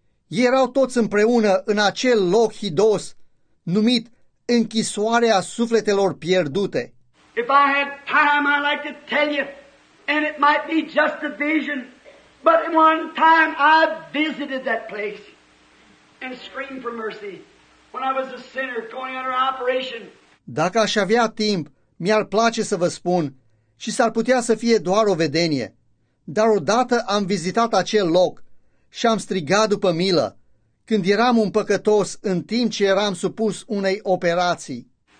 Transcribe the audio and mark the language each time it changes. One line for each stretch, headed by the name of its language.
Romanian: Erau toți împreună în acel loc hidos numit închisoarea sufletelor pierdute.
English: If I had time, I'd like to tell you, and it might be just a vision, but one time I visited that place and screamed for mercy when I was a sinner going under operation.
Romanian: Dacă aș avea timp, mi-ar place să vă spun și s-ar putea să fie doar o vedenie, dar odată am vizitat acel loc și am strigat după milă când eram un păcătos în timp ce eram supus unei operații.